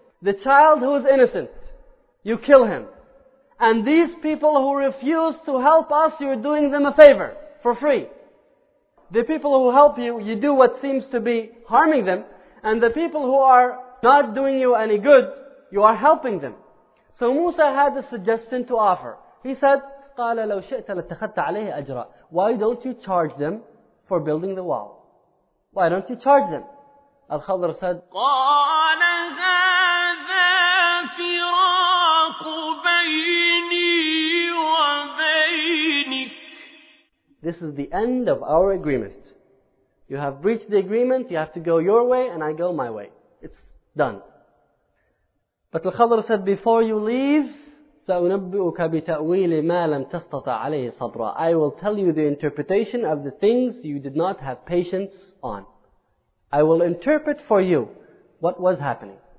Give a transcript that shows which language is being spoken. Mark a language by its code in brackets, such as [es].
[en] The child who is innocent, you kill him. And these people who refuse to help us, you're doing them a favor for free. The people who help you, you do what seems to be harming them. And the people who are not doing you any good, you are helping them. So Musa had a suggestion to offer. He said, [ar] قَالَ لَوْ شِئْتَ لَتَّخَذْتَ عَلَيْهِ أَجْرًا. [en] Why don't you charge them for building the wall? Why don't you charge them? Al-Khadr said, [ar] قَالَ هَذَا فِرَاقُ بَيْنِي وَبَيْنِكَ. [en] This is the end of our agreement. You have breached the agreement, you have to go your way and I go my way. It's done. But Al-Khadr said, before you leave, [ar] سَأُنَبِّئُكَ بِتَأْوِيلِ مَا لَمْ تَسْتَطَعْ عَلَيْهِ صَبْرًا. [en] I will tell you the interpretation of the things you did not have patience on. I will interpret for you what was happening.